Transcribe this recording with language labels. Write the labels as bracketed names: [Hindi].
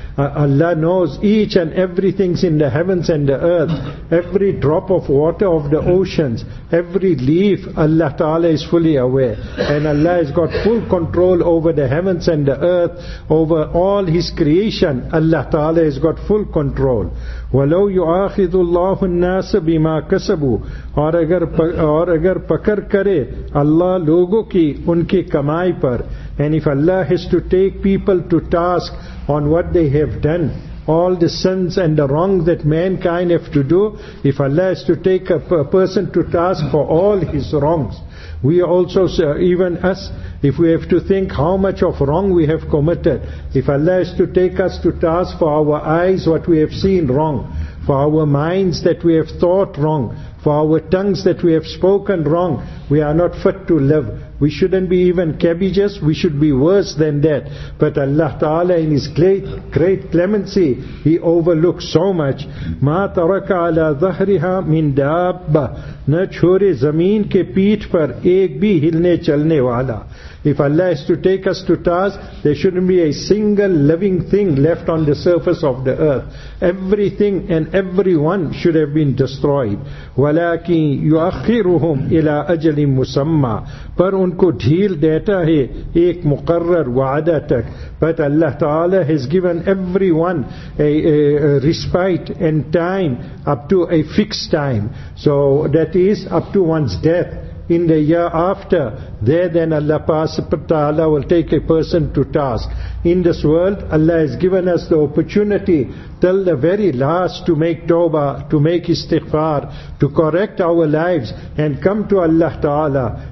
[English] Allah knows each and everything in the heavens and the earth, every drop of water of the oceans, every leaf. Allah Allah Ta'ala is fully aware. And Allah has got full control over the heavens and the earth, over all His creation. Allah Ta'ala has got full control. [Arabic] وَلَوْ يُعَاخِذُ اللَّهُ النَّاسَ بِمَا كَسَبُوا [Urdu] اور اگر پکر کرے اللہ لوگوں کی ان کی کمائی پر. [English] And if Allah has to take people to task on what they have done, all the sins and the wrong that mankind have to do, if Allah has to take a person to task for all his wrongs, we also, even us, if we have to think how much of wrong we have committed, if Allah has to take us to task for our eyes what we have seen wrong, for our minds that we have thought wrong, for our tongues that we have spoken wrong, we are not fit to live. We shouldn't be even cabbages, we should be worse than that. But Allah Ta'ala in His great clemency, He overlooks so much. [Arabic] مَا تَرَكَ عَلَىٰ ذَهْرِهَا مِنْ دَابَّةِ [Urdu] نَا چھوڑے زمین کے پیٹھ پر ایک بھی ہلنے چلنے والا. [English] If Allah is to take us to task, there shouldn't be a single living thing left on the surface of the earth. Everything and everyone should have been destroyed. [Arabic] وَلَكِنْ يُؤَخِّرُهُمْ إِلَىٰ أَجَلٍ مُسَمَّى [Urdu] پر ان کو ڈھیل دیتا ہے ایک مقرر وعدہ تک. [English] But Allah Ta'ala has given everyone a respite and time up to a fixed time. So that is up to one's death. In the year after, there then Allah Ta'ala will take a person to task. In this world, Allah has given us the opportunity till the very last to make tawbah, to make istighfar, to correct our lives and come to Allah Ta'ala.